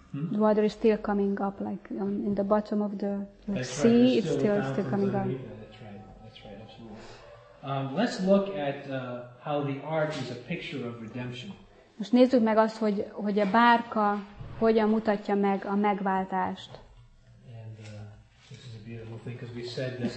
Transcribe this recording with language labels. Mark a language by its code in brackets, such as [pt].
[en] The water is still coming up, like in the bottom of the right, sea, still it's still coming up. That's right, absolutely. Let's look at how the ark is a picture of redemption. [hu] Most nézzük meg azt, hogy a bárka hogyan mutatja meg a megváltást. [en] And, this is a beautiful thing, because we said that